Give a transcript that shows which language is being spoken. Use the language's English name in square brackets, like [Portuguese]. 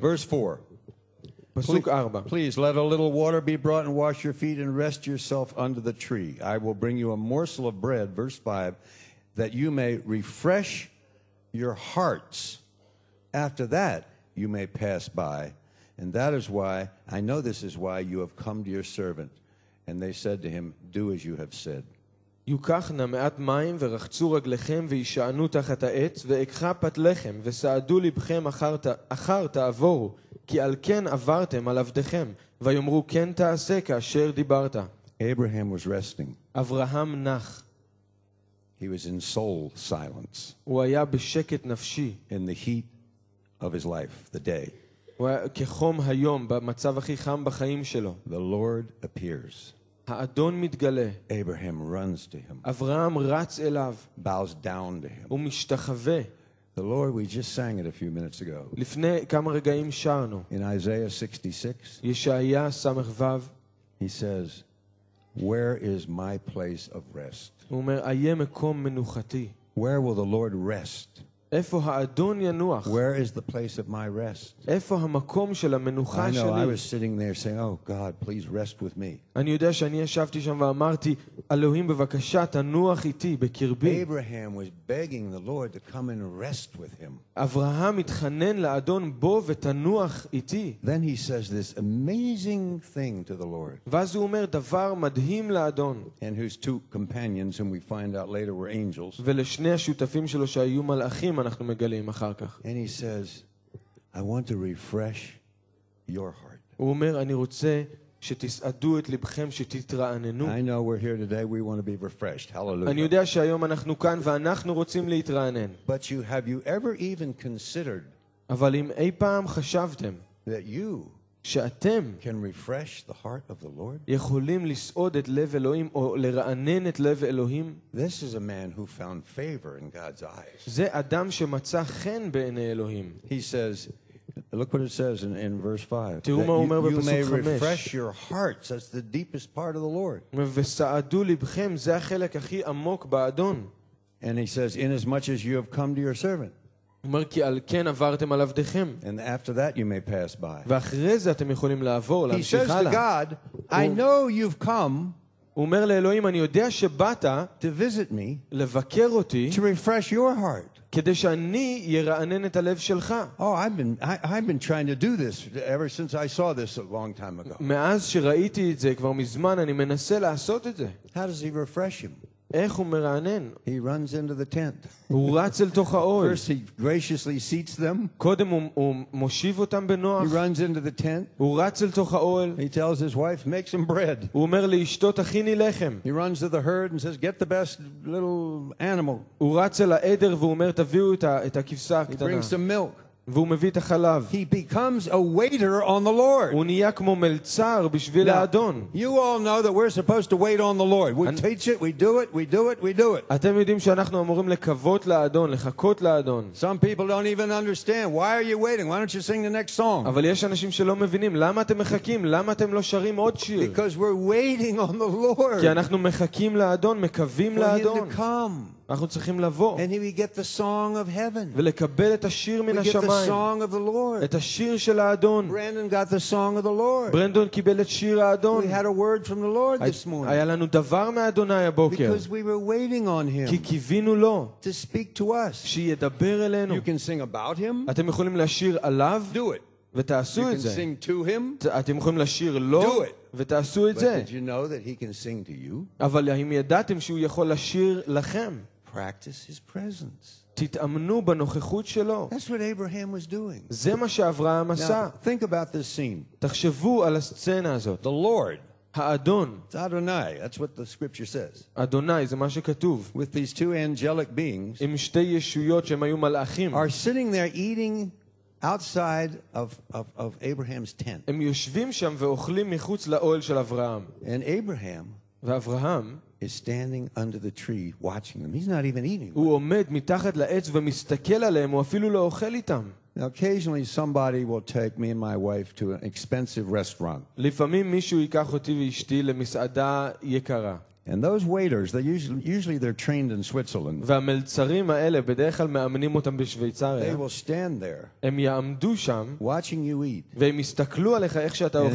[English] Verse 4. [Hebrew] פסוק 4. [English] Please let a little water be brought and wash your feet and rest yourself under the tree. I will bring you a morsel of bread, verse 5, that you may refresh your hearts. After that, you may pass by. And that is why, I know this is why you have come to your servant. And they said to him, do as you have said. [Hebrew] יוקח נא מעט מים ורחצו רגליכם וישענו תחת העץ ואקחה פת לחם וסעדו לבכם אחר תעבורו כי על כן עברתם על עבדכם ויאמרו כן תעשה כאשר דיברת. [English] Abraham was resting. [Hebrew] אברהם נח. [English] He was in soul silence. [Hebrew] הוא היה בשקט נפשי. [English] In the heat of his life, the day. [Hebrew] הוא היה כחום היום, במצב הכי חם בחיים שלו. [English] The Lord appears. [Hebrew] האדון מתגלה. [English] Abraham runs to him. [Hebrew] אברהם רץ אליו. [English] Bows down to him. [Hebrew] ומשתחווה. [English] The Lord, we just sang it a few minutes ago. [Hebrew] לפני כמה רגעים שרנו. [English] In Isaiah 66. [Hebrew] ישעיה סמך וב. [English] He says, "Where is my place of rest?" [Hebrew] הוא אומר, איה מקום מנוחתי. [English] Where will the Lord rest? [Hebrew] איפה האדון ינוח? [English] Where is the place of my rest? [Hebrew] איפה המקום של המנוחה שלי? [English] I know, I was sitting there saying, "Oh God, please rest with me." [Hebrew] אני יודע שאני ישבתי שם ואמרתי, "אלוהים בבקשה, תנוח איתי בקרבי." [English] Abraham was begging the Lord to come and rest with him. [Hebrew] אברהם התחנן לאדון, "בוא ותנוח איתי." [English] Then he says this amazing thing to the Lord. [Hebrew] ואז הוא אומר דבר מדהים לאדון. [English] And his two companions whom we find out later were angels. [Hebrew] ולשני השותפים שלו שהיו מלאכים אנחנו מגלים אחר כך. [English] And he says, I want to refresh your heart. [Hebrew] הוא אומר, אני רוצה שתסעדו את לבכם, שתתרעננו. [English] I know we're here today, we want to be refreshed. Hallelujah. [Hebrew] אני יודע שהיום אנחנו כאן ואנחנו רוצים להתרענן. [English] But you, have you ever even considered [Hebrew] אבל אם אי פעם חשבתם [English] that you [Hebrew] שאתם [English] can refresh the heart of the Lord? [Hebrew] יכולים לסעוד את לב אלוהים או לרענן את לב אלוהים? [English] This is a man who found favor in God's eyes. [Hebrew] זה אדם שמצא חן בעיני אלוהים. [English] He says, look what it says in verse 5. [Hebrew] תראו מה אומר בפסוק 5. [English] You may refresh your hearts, that's the deepest part of the Lord. [Hebrew] וסעדו לבכם, זה החלק הכי עמוק באדון. [English] And he says, inasmuch as you have come to your servant. [Hebrew] אומר כי על כן עברתם על עבדכם. [English] And after that you may pass by. [Hebrew] ואחרי זה אתם יכולים לעבור, להמשיך הלאה. [English] He says to God, I know you've come. [Hebrew] אומר לאלוהים, אני יודע שבאת [English] to visit me, [Hebrew] לבקר אותי, [English] to refresh your heart. [Hebrew] כדי שאני ירענן את הלב שלך. [English] Oh, I've been trying to do this ever since I saw this a long time ago. [Hebrew] מאז שראיתי את זה כבר מזמן אני מנסה לעשות את זה. [English] How does he refresh him? [Hebrew] איך הוא מרענן? [English] He runs into the tent. [Hebrew] הוא רץ אל תוך האוהל. [English] First he graciously seats them. [Hebrew] קודם הוא מושיב אותם בנוח. [English] He runs into the tent. [Hebrew] הוא רץ אל תוך האוהל. [English] He tells his wife, make some bread. [Hebrew] הוא אומר לאשתו, תכיני לחם. [English] He runs to the herd and says, get the best little animal. [Hebrew] הוא רץ אל העדר והוא אומר, תביאו את הכבשה הקטנה. [English] He brings some milk. [Hebrew] והוא מביא את החלב. [English] He becomes a waiter on the Lord. [Hebrew] הוא נהיה כמו מלצר בשביל האדון. [English] You all know that we're supposed to wait on the Lord. We teach it, we do it, we do it, we do it. [Hebrew] אתם יודעים שאנחנו אמורים לקוות לאדון, לחכות לאדון. [English] Some people don't even understand. Why are you waiting? Why don't you sing the next song? [Hebrew] אבל יש אנשים שלא מבינים. למה אתם מחכים? למה אתם לא שרים עוד שיר? [English] Because we're waiting on the Lord. [Hebrew] כי אנחנו מחכים לאדון, מקווים לאדון. [English] For him to come. [Hebrew] אנחנו צריכים לבוא. [English] And we get the song of heaven. [Hebrew] ולקבל את השיר מן השמיים. [English] We get the song of the Lord. [Hebrew] את השיר של האדון. [English] Brandon got the song of the Lord. [Hebrew] ברנדון קיבל את שיר האדון. [English] We had a word from the Lord this morning. [Hebrew] היה לנו דבר מאדוני הבוקר. [English] Because we were waiting on him. [Hebrew] כי קיווינו לו. [English] To speak to us. [Hebrew] שידבר אלינו. [English] You can sing about him. [Hebrew] אתם יכולים לשיר עליו. [English] Do it. [Hebrew] ותעשו את זה. [English] You can sing to him. [Hebrew] אתם יכולים לשיר לו. [English] Do it. [Hebrew] ותעשו את זה. [English] But did you know that he can sing to you? [Hebrew] אבל האם ידעתם שהוא יכול לשיר לכם? [English] Practice his presence. [Hebrew] תתאמנו בנוכחות שלו. [English] That's what Abraham was doing. [Hebrew] זה מה שאברהם עשה. [English] Now, think about this scene. [Hebrew] תחשבו על הסצנה הזאת. [English] The Lord. [Hebrew] האדון. [English] It's Adonai. That's what the scripture says. [Hebrew] אדוני, זה מה שכתוב. [English] With these two angelic beings. [Hebrew] עם שתי ישויות שהם היו מלאכים. [English] Are sitting there eating outside of Abraham's tent. [Hebrew] הם יושבים שם ואוכלים מחוץ לאוהל של אברהם. [English] And Abraham. [Hebrew] ואברהם. [English] Is standing under the tree watching them. He's not even eating. [Hebrew] הוא עומד מתחת לעץ ומסתכל עליהם, הוא אפילו לא אוכל איתם. [English] Occasionally somebody will take me and my wife to an expensive restaurant. [Hebrew] לפעמים מישהו ייקח אותי ואשתי למסעדה יקרה. [English] And those waiters, usually they're trained in Switzerland. [Hebrew] והמלצרים האלה בדרך כלל מאמנים אותם בשוויצריה. [English] They will stand there. [Hebrew] הם יעמדו שם. [English] Watching you eat. [Hebrew] והם יסתכלו עליך איך שאתה אוכל.